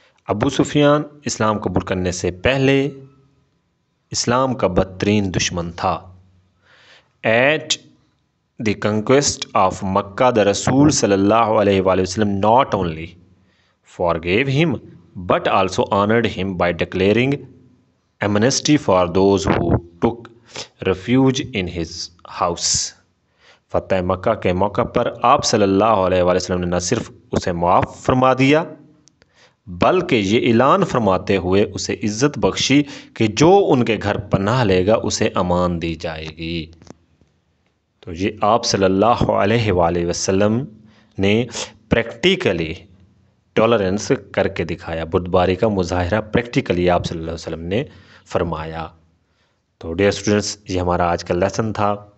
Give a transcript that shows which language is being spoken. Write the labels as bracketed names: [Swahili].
[Urdu] Abu Sufyan, Islam قبول کرنے سے پہلے, Islam کا بدترین دشمن تھا. [English] At the conquest of Makkah, the Rasul sallallahu alaihi wa sallam not only forgave him but also honored him by declaring amnesty for those who took refuge in his house. [Urdu] فتح مکہ کے موقع پر آپ صلی اللہ علیہ وآلہ وسلم نے نہ صرف اسے معاف فرما دیا بلکہ یہ اعلان فرماتے ہوئے اسے عزت بخشی کہ جو ان کے گھر پناہ لے گا اسے امان دی جائے گی. تو یہ آپ صلی اللہ علیہ وآلہ وسلم نے پریکٹیکلی ٹولرنس کر کے دکھایا, بردباری کا مظاہرہ پریکٹیکلی آپ صلی اللہ علیہ وسلم نے فرمایا. تو ڈیئر اسٹوڈنٹس, یہ ہمارا آج کا لیسن تھا.